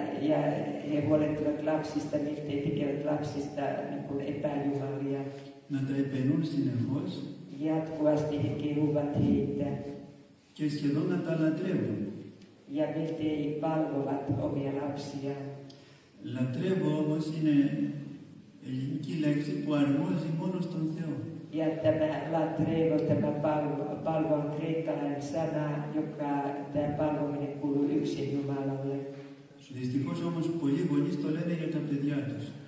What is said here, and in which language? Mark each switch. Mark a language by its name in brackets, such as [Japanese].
[Finnish] Ja he huolehtivat lapsista, miltei tekevät lapsista niin kuin epäjumalia. [Greek] Να τα επενούν συνεχώς. [Finnish] Jatkuvasti he kehuvat heitä. [Greek] Και σχεδόν να τα λατρεύουν. [Finnish] Ja miltei palvovat omia lapsia. [Greek] Λατρεύω όμως είναι ελληνική λέξη που αρμόζει μόνο στον Θεό. [Finnish] Ja tämä λατρεύω, tämä palvo on kreikkalainen sana, joka tämä palvominen kuuluu yksin Jumalalle. [Greek] Δυστυχώς όμως πολλοί γονείς το λένε για τα παιδιά τους.